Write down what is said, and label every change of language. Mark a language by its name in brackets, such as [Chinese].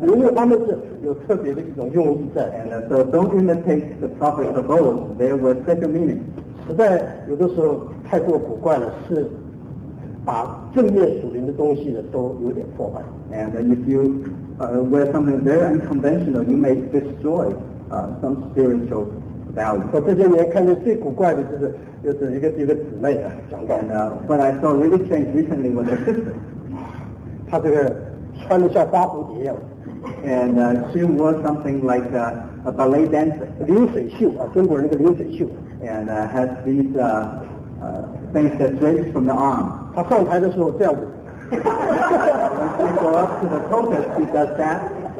[Chinese] 那今天呢，你不要学着古代的先知们啊，那个很古怪的，那不行，因为他们是有特别的一种用意在。 [English] And so don't imitate the prophets of old. They were special meaning. [Chinese] 实在有的时候太过古怪了，是。把正面属灵的东西呢，都有点破坏。 [English] And if you wear something very unconventional, you may destroy some spiritual value. [Chinese] 我这些年看见最古怪的就是一个姊妹啊，讲到。 [English] And what I saw really strange recently was a sister. [Chinese] 她这个穿得像花蝴蝶一样。 [English] And she wore something like a ballet dancer. [Chinese] 流水袖啊，中国人那个流水袖。 [English] And has these things that drapes from the arm. [Chinese] 他上台的时候这样子， [English] When she go up to the protest, she does that.